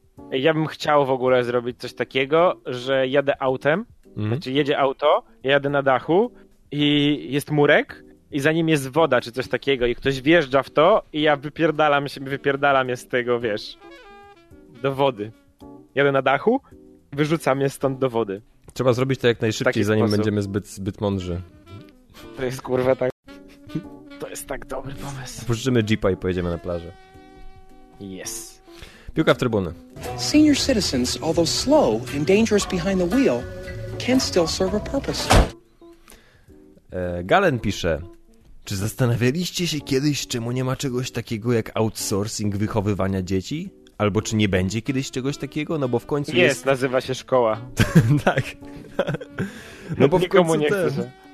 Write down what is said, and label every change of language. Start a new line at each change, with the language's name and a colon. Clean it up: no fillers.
Polish: Ja bym chciał w ogóle zrobić coś takiego, że jadę autem, znaczy jedzie auto, ja jadę na dachu i jest murek i za nim jest woda czy coś takiego i ktoś wjeżdża w to i ja wypierdalam je z tego, wiesz, do wody. Jadę na dachu, wyrzucam je stąd do wody. Trzeba zrobić to jak najszybciej, zanim będziemy zbyt mądrzy. To jest kurwa tak... To jest tak dobry pomysł. Pożyczymy jeepa i pojedziemy na plażę.
English: Yes.
Polish: Piłka w trybuny.
English: Senior citizens, although slow and dangerous behind the wheel, can still serve a purpose.
Polish: Galen pisze: czy zastanawialiście się kiedyś, czemu nie ma czegoś takiego jak outsourcing wychowywania dzieci? Albo czy nie będzie kiedyś czegoś takiego? No bo w końcu jest... Jest, nazywa się szkoła. Tak. No bo nikomu w końcu nie chce.